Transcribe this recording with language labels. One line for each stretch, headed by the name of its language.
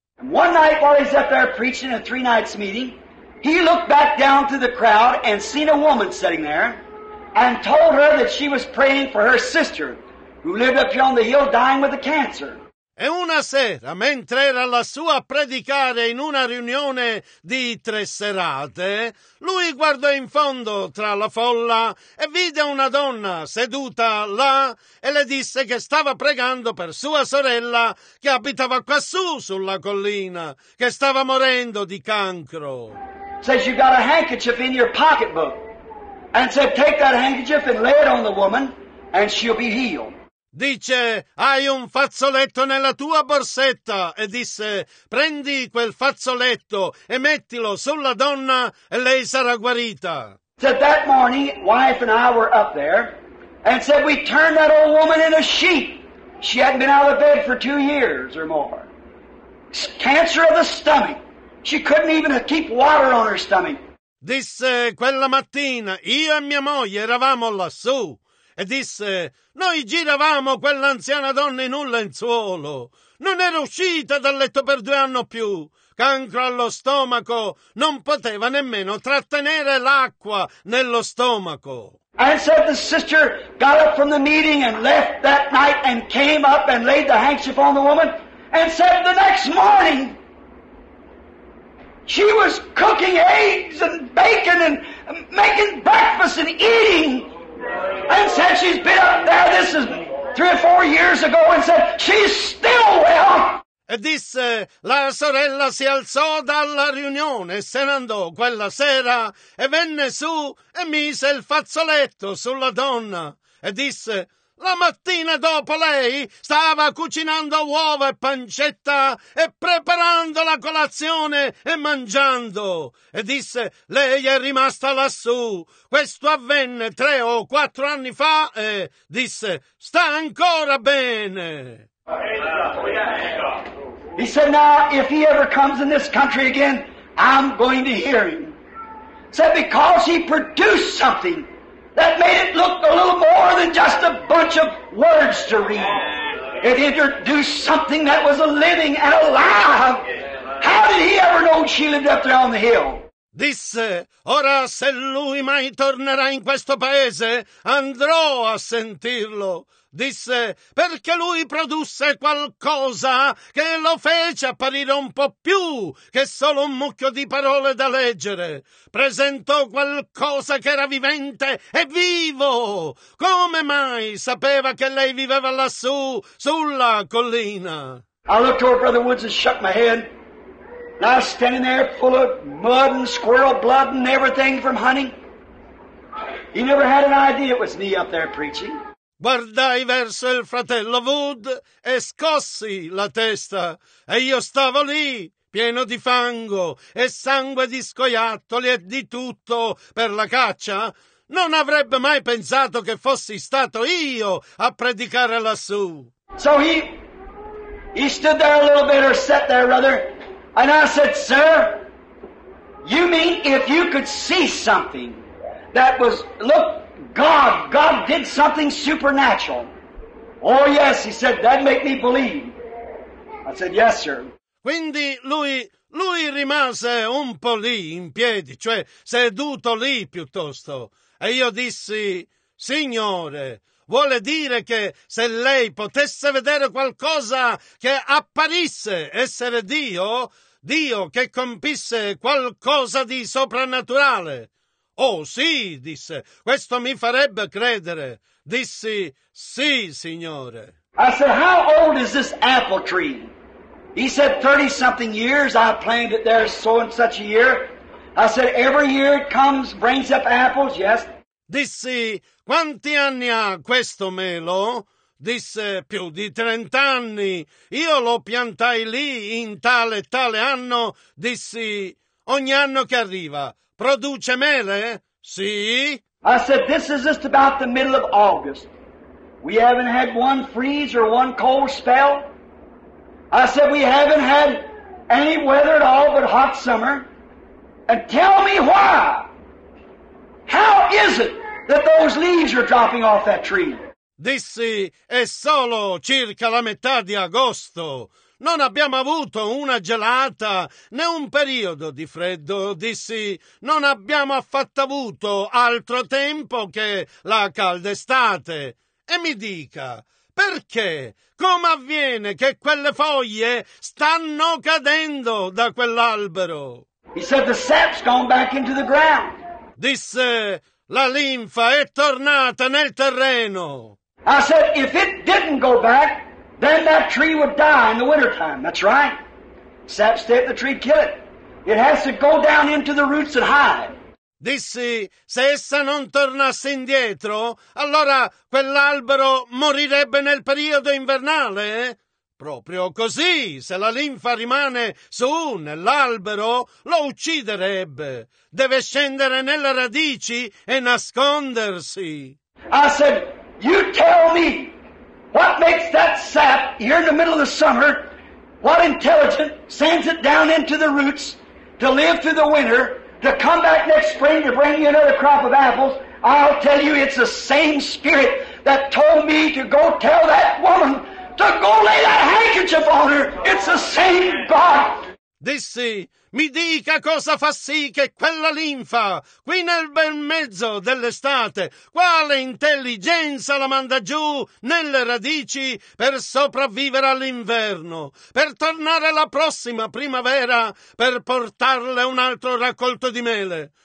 English: One night while he's up there preaching a three nights meeting, he looked back down to the crowd and seen a woman sitting there and told her that she was praying for her sister who lived up here on the hill dying with a cancer.
Italian: E una sera, mentre era lassù a predicare in una riunione di tre serate, lui guardò in fondo tra la folla e vide una donna seduta là e le disse che stava pregando per sua sorella che abitava quassù sulla collina, che stava morendo di cancro.
English: Says you got a handkerchief in your pocketbook. And said, take that handkerchief and lay it on the woman and she'll be healed.
Italian: Dice, hai un fazzoletto nella tua borsetta, e disse, prendi quel fazzoletto e mettilo sulla donna e lei sarà guarita.
English: Said that morning, wife and I were up there, and said we turned that old woman in a sheet. She hadn't been out of bed for 2 years or more. Cancer of the stomach. She couldn't even keep water on her stomach.
Italian: Disse, quella mattina, io e mia moglie eravamo lassù, e disse, noi giravamo quell'anziana donna in un lenzuolo. Non era uscita dal letto per 2 anni o più. Cancro allo stomaco. Non poteva nemmeno trattenere l'acqua nello stomaco.
English: And said the sister got up from the meeting and left that night and came up and laid the handkerchief on the woman and said the next morning she was cooking eggs and bacon and making breakfast and eating. And said she's been up there, this is 3 or 4 years ago, and said she's still well.
Italian: E disse, la sorella si alzò dalla riunione e se ne andò quella sera e venne su e mise il fazzoletto sulla donna. E disse, La mattina dopo lei stava cucinando uova e pancetta e preparando la colazione e mangiando. E disse, lei è rimasta lassù. Questo avvenne 3 o 4 anni fa e disse, sta ancora bene.
English: He said, now if he ever comes in this country again, I'm going to hear him. Said, because he produced something that made it look a little more than just a bunch of words to read. It introduced something that was living and alive. How did he ever know she lived up there on the hill?
Italian: Disse, ora se lui mai tornerà in questo paese, andrò a sentirlo. Disse, perché lui produsse qualcosa che lo fece apparire un po' più che solo un mucchio di parole da leggere. Presentò qualcosa che era vivente e vivo. Come mai sapeva che lei viveva lassù, sulla collina?
English: I looked over Brother Woods and shook my head. And I was standing there full of mud and squirrel blood and everything from hunting. He never had an idea it was me up there preaching.
Italian: Guardai verso il fratello Wood e scossi la testa e io stavo lì pieno di fango e sangue di scoiattoli e di tutto per la caccia. Non avrebbe mai pensato che fossi stato io a predicare lassù.
English: So he stood there a little bit or sat there rather and I said, sir, you mean if you could see something that was, look, God did something supernatural. Oh yes, he said, that make me believe. I said, yes, sir.
Italian: Quindi lui rimase un po' lì in piedi, cioè seduto lì piuttosto. E io dissi, signore, vuole dire che se lei potesse vedere qualcosa che apparisse essere Dio, Dio che compisse qualcosa di soprannaturale. Oh sì, disse, questo mi farebbe credere. Dissi, sì, signore.
English: I said, how old is this apple tree? He said, 30-something years. I planted it there so and such a year. I said, every year it comes, brings up apples, yes.
Italian: Dissi, quanti anni ha questo melo? Disse, più di 30 anni. Io lo piantai lì in tale e tale anno. Dissi, ogni anno che arriva. Produce mele? Sì.
English: I said, this is just about the middle of August. We haven't had one freeze or one cold spell. I said, we haven't had any weather at all but hot summer. And tell me why. How is it that those leaves are dropping off that tree?
Italian: Dissi, è solo circa la metà di agosto. Non abbiamo avuto una gelata, né un periodo di freddo, dissi. Non abbiamo affatto avuto altro tempo che la calda estate. E mi dica, perché? Come avviene che quelle foglie stanno cadendo da quell'albero?
English: He said the sap's gone back into the ground.
Italian: Disse, la linfa è tornata nel terreno.
English: I said, if it didn't go back, then that tree would die in the wintertime. That's right. Sap stay at the tree, kill it. It has to go down into the roots and hide.
Italian: Dissi, se essa non tornasse indietro, allora quell'albero morirebbe nel periodo invernale? Proprio così, se la linfa rimane su nell'albero, lo ucciderebbe. Deve scendere nelle radici e nascondersi.
English: I said, you tell me. What makes that sap here in the middle of the summer, what intelligent sends it down into the roots to live through the winter, to come back next spring to bring you another crop of apples? I'll tell you, it's the same spirit that told me to go tell that woman to go lay that handkerchief on her. It's the same God.
Italian: Dissi, mi dica cosa fa sì che quella linfa, qui nel bel mezzo dell'estate, quale intelligenza la manda giù nelle radici per sopravvivere all'inverno, per tornare la prossima primavera per portarle un altro raccolto di mele.